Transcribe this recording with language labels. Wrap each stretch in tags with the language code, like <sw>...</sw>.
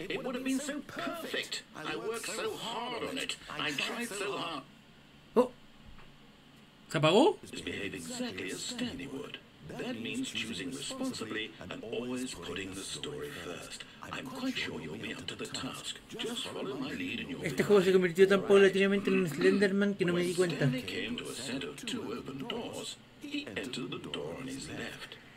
<en>It would have been so perfect. I worked so hard on it. I tried so hard. Oh.</en> <es>Se apagó?</es> <en>Just behave exactly as Stanley would. That means choosing responsibly and always putting the story first. I'm quite sure you'll be up to the task. Just follow my lead and you'll be.</en> <es>Este juego se convirtió tan paulatinamente en Slenderman que no me di cuenta.</es> <en>When Stanley came to a set of two open doors, he entered the door on his left.</en>